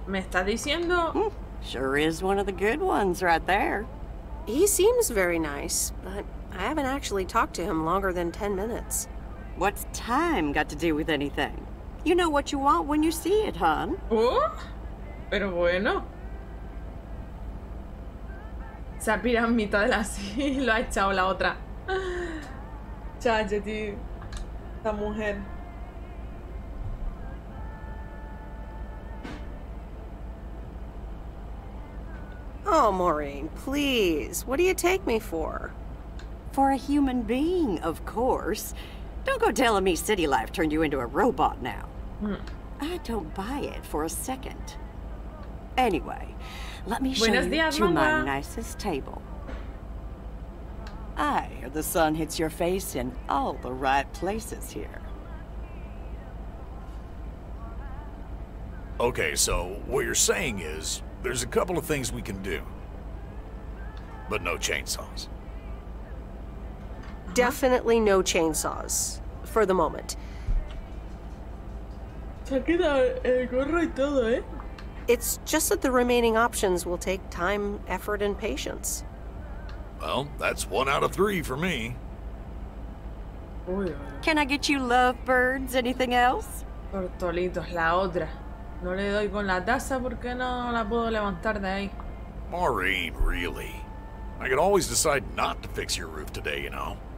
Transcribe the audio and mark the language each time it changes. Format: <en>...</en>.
<es>Me está diciendo...</es> <en>Sure is one of the good ones right there. He seems very nice, but I haven't actually talked to him longer than 10 minutes. What's time got to do with anything? You know what you want when you see it, hon.</en> <es>Oh, pero bueno. Se ha pirado en mitad de la silla y lo ha echado la otra. Chacho, tío. Esta mujer.</es> <en>Oh, Maureen, please. What do you take me for? For a human being, of course. Don't go telling me city life turned you into a robot now. I don't buy it for a second. Anyway, let me show you to my nicest table. I hear the sun hits your face in all the right places here. Okay, so what you're saying is... There's a couple of things we can do, but no chainsaws. Definitely no chainsaws, for the moment.</en> <es>Se ha quedado el gorro y todo, ¿eh?</es> <en>It's just that the remaining options will take time, effort, and patience. Well, that's one out of three for me. Can I get you lovebirds? Anything else?</en> <es>Tortolitos, la otra. No le doy con la taza porque no la puedo levantar de ahí.</es> <en>Maureen, really? I could always decide not to fix your roof today, you know.</en>